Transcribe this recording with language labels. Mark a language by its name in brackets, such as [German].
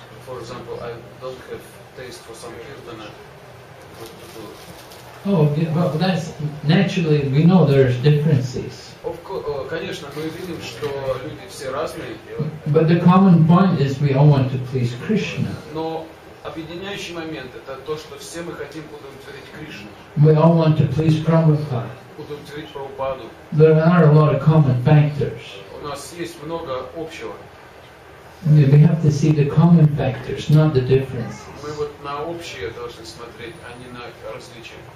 [English] For example, I don't have taste for some kirtana. Oh, yeah, well, that's naturally. We know there's differences. Of course, [Russian] конечно, мы видим, что люди все разные. [English] But the common point is we all want to please Krishna. [Russian] Но объединяющий момент это то, что все мы хотим удовлетворить Кришну. [English] We all want to please Prabhupada. [Russian] Удовлетворить Прабхупаду. [English] There are a lot of common factors. [Russian] У нас есть много общего. [English] We have to see the common factors, not the differences. [Russian] Мы вот на общее должны смотреть, а не на различия.